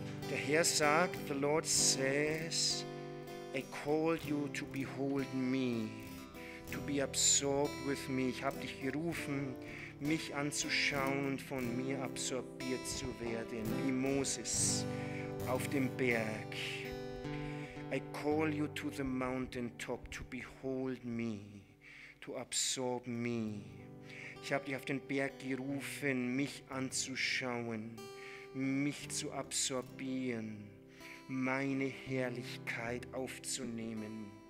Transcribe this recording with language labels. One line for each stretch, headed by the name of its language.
German: Der Herr sagt,
English: the Lord says, I called you to behold me, to be absorbed with me.
German: Ich habe dich gerufen, mich anzuschauen und von mir absorbiert zu werden, wie Moses auf dem Berg.
English: I call you to the mountaintop to behold me, to absorb me.
German: Ich habe dich auf den Berg gerufen, mich anzuschauen, mich zu absorbieren, meine Herrlichkeit aufzunehmen.